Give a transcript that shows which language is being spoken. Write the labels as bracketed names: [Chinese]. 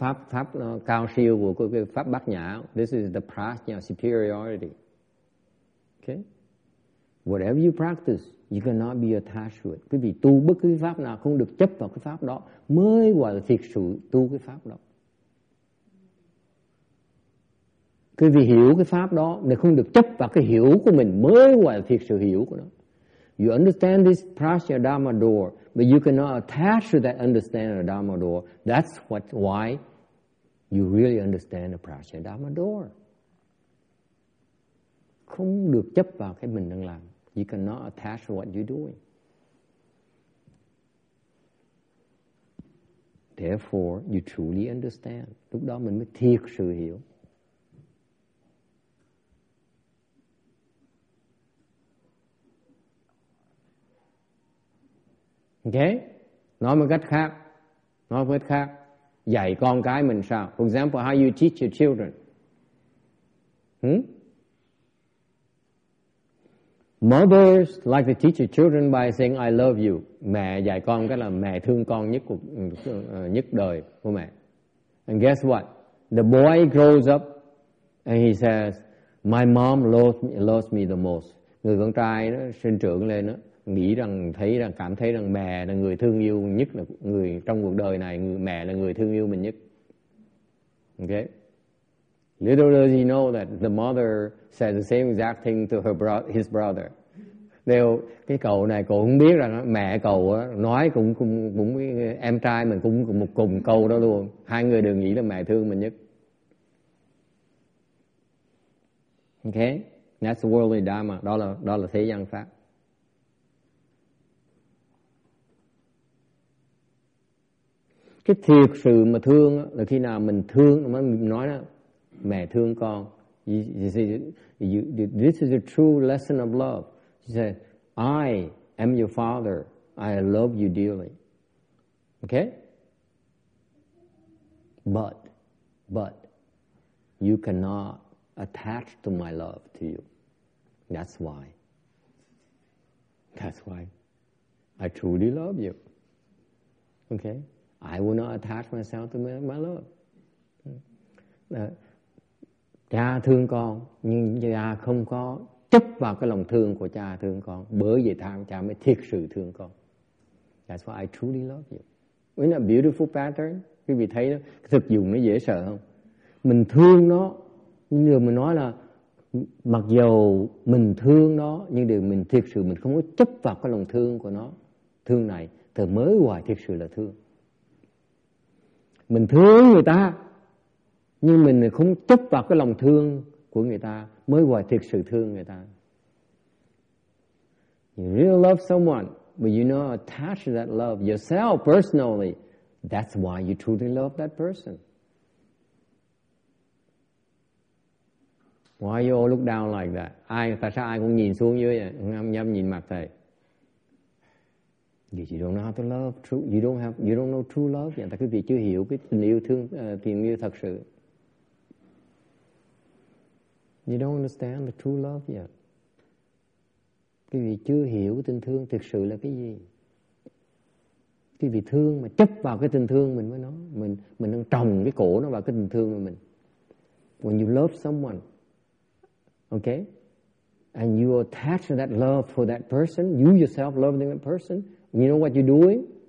[Vietnamese] Pháp cao siêu của cái pháp Bát Nhã. [English] This is the prajna superiority. Okay? Whatever you practice, you cannot be attached to it. [Vietnamese] Quý vị tu bất cứ pháp nào không được chấp vào cái pháp đó mới gọi là thiệt sự tu cái pháp đó. Quý vị hiểu cái pháp đó nếu không được chấp vào cái hiểu của mình mới gọi là thiệt sự hiểu của nó. [English] You understand this prajna dhamma door, but you cannot attach to that understanding of dhamma door. That's what why you really understand the prajna dhamma door. [Vietnamese] Không được chấp vào cái mình đang làm. [English] You cannot attach to what you're doing. Therefore, you truly understand. [Vietnamese] Lúc đó mình mới thiệt sự hiểu. Okay? Nói một cách khác. Nói một cách khác. Dạy con cái mình sao? [English] For example, how you teach your children? Mothers like to teach their children by saying I love you. [Vietnamese] Mẹ dạy con cái là mẹ thương con nhất của nhất đời của mẹ. [English] And guess what? The boy grows up and he says, my mom loves me the most. [Vietnamese] Người con trai nó sinh trưởng lên đó, nghĩ rằng thấy rằng cảm thấy rằng mẹ là người thương yêu nhất là người trong cuộc đời này, mẹ là người thương yêu mình nhất. [English] Okay? Little does he know that the mother said the same exact thing to his brother. [Vietnamese] Cái cậu này cậu không biết rằng mẹ cậu nói cũng em trai mình cũng một cùng câu đó luôn. Hai người đều nghĩ là mẹ thương mình nhất. [English] Okay, that's worldly dharma. [Vietnamese] Đó là thế gian pháp. Cái thiệt sự mà thương là khi nào mình thương mới nói đó. Mẹ thương con. [English] This is a true lesson of love. She said, I am your father. I love you dearly. Okay? But, you cannot attach to my love to you. That's why I truly love you. Okay? I will not attach myself to my love. [Vietnamese] Cha thương con, nhưng cha không có chấp vào cái lòng thương của cha thương con. Bởi vậy cha mới thiệt sự thương con. [English] That's why I truly love you. Isn't that a beautiful pattern? [Vietnamese] Quý vị thấy đó, thực dụng nó dễ sợ không? Mình thương nó, nhưng điều mình nói là mặc dù mình thương nó, nhưng điều mình thiệt sự mình không có chấp vào cái lòng thương của nó, thương này, thì mới hoài thiệt sự là thương. Mình thương người ta, nhưng mình không chấp vào cái lòng thương của người ta mới gọi thiệt sự thương người ta. [English] You really love someone, but you not attach that love yourself personally. That's why you truly love that person. Why you all look down like that? [Vietnamese] Ai tại sao ai cũng nhìn xuống dưới vậy? Nhắm nhìn mặt thầy. [English] Vì you don't know how to love true, you don't know true love. [Vietnamese] Vậy là quý vị chưa hiểu cái tình yêu thương, tình yêu thật sự. [English] You don't understand the true love yet. [Vietnamese] Quý vị chưa hiểu cái tình thương thực sự là cái gì. Quý vị thương mà chấp vào cái tình thương mình với nó, mình đang trồng cái cổ nó vào cái tình thương của mình. [English] When you love someone, okay, and you attach that love for that person, you yourself loving that person, you know what you're doing?